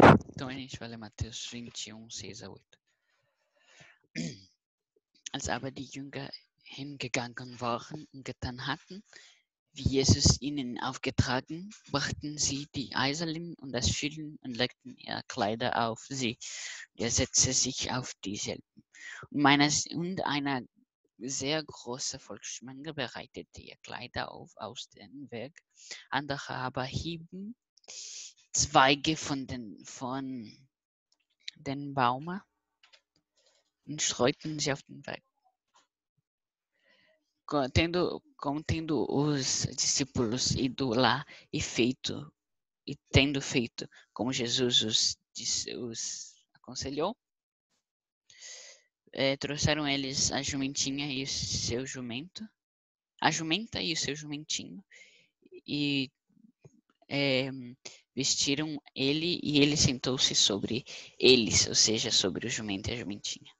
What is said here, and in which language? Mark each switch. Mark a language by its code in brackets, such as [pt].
[pt] Então a gente vai ler Mateus 21, 6 a 8. [de] Als aber die Jünger hingegangen waren und getan hatten, wie Jesus ihnen aufgetragen, brachten sie die Eiseln und das Füllen und legten ihre Kleider auf sie. Er setzte sich auf dieselben. Und einer sehr große Volksmenge bereitete ihr Kleider auf aus dem Weg. Andere aber hieben Zweige von den Bäumen und streuten sie auf den Weg. [pt] Contendo os discípulos ido lá e tendo feito como Jesus os aconselhou, trouxeram eles a jumenta e o seu jumentinho, e vestiram ele e ele sentou-se sobre eles, ou seja, sobre o jumento e a jumentinha.